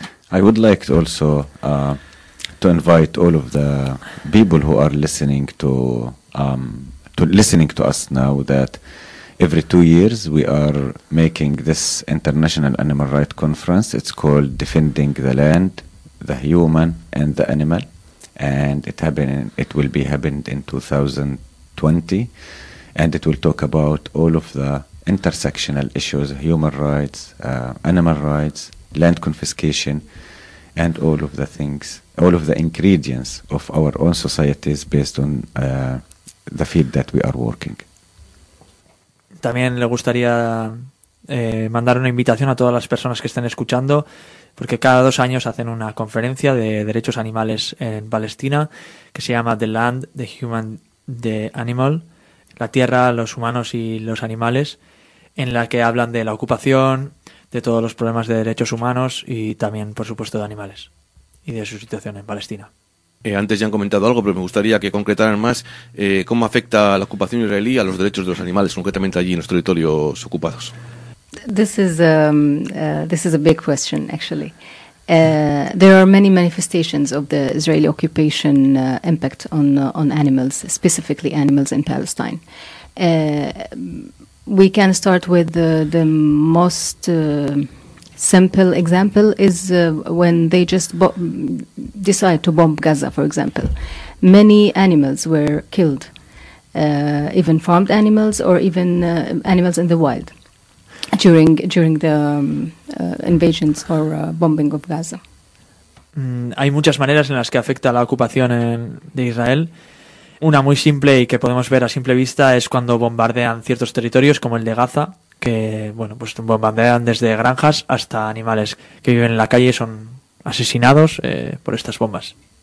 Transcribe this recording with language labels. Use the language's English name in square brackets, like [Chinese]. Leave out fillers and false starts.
[English] I would like to also to invite all of the people who are listening to us now, that every 2 years we are making this international animal rights conference. It's called Defending the Land, the Human and the Animal. And it will be happened in 2020, and it will talk about all of the intersectional issues, human rights, animal rights, land confiscation, and all of the things, all of the ingredients of our own societies based on the field that we are working. [Spanish] También le gustaría mandar una invitación a todas las personas que estén escuchando. porque cada dos años hacen una conferencia de derechos animales en Palestina que se llama The Land, The Human, The Animal, la tierra, los humanos y los animales, en la que hablan de la ocupación, de todos los problemas de derechos humanos y también, por supuesto, de animales y de su situación en Palestina. Antes ya han comentado algo, pero me gustaría que concretaran más cómo afecta la ocupación israelí a los derechos de los animales, concretamente allí en los territorios ocupados. [English] This is a big question, actually. There are many manifestations of the Israeli occupation impact on animals, specifically animals in Palestine. We can start with the most simple example is when they just decide to bomb Gaza, for example. Many animals were killed, even farmed animals or even animals in the wild during the invasions or bombing of Gaza. [Spanish] Hay muchas maneras en las que afecta la ocupación de Israel. Una muy simple y que podemos ver a simple vista es cuando bombardean ciertos territorios como el de Gaza, que bueno, pues bombardean desde granjas hasta animales que viven en la calle y son asesinados por estas bombas.